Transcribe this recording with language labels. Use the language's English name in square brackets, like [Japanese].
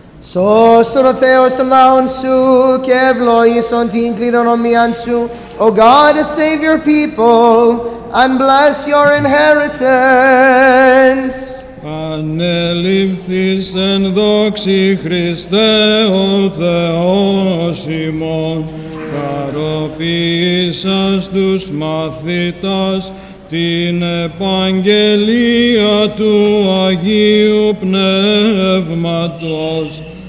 [Greek] Σώστον ο Θεός των λαών σου και ευλόγησον την κληρονομίαν σου. [English] O God, save your people and bless your inheritance. [Greek] Ανελήφθης εν δόξη Χριστέ ο Θεός ημών. Χαροποίησας τους μαθητάς την επαγγελία του Αγίου Πνεύματος.